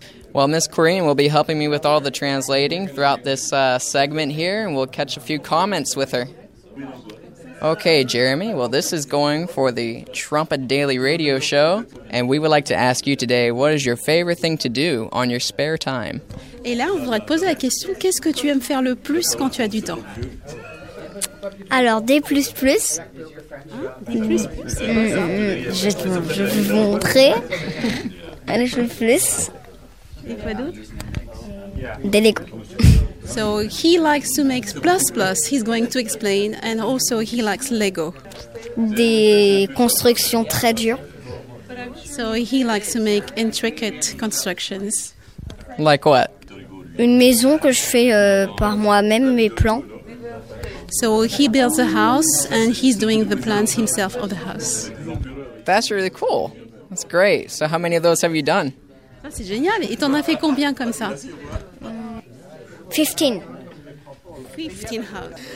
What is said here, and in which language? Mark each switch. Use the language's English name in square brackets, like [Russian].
[English] Well, Miss Corinne will be helping me with all the translating throughout this segment here, and we'll catch a few comments with her. Okay, Jeremy, well, this is going for the Trumpet Daily Radio Show, and we would like to ask you today, what is your favorite thing to do on your spare time? [French] Et là, on voudrait te poser la question, qu'est-ce que tu aimes faire le plus quand tu as du temps? Alors, des plus plus. Des plus plus. Je vais vous montrer. Allez, je fais plus. Et quoi d'autre? Des Lego. [English] So he likes to make plus plus, he's going to explain, and also he likes Lego. [French] Des constructions très dures. [English] So So he likes to make intricate constructions. Like what? [French] Une maison que je fais par moi-même, mes plans. [English] So he builds a house and he's doing the plans himself of the house. That's really cool. That's great. So how many of those have you done? [French] Ça, c'est génial. Et t'en as fait combien comme ça? 15. [English] 15 houses.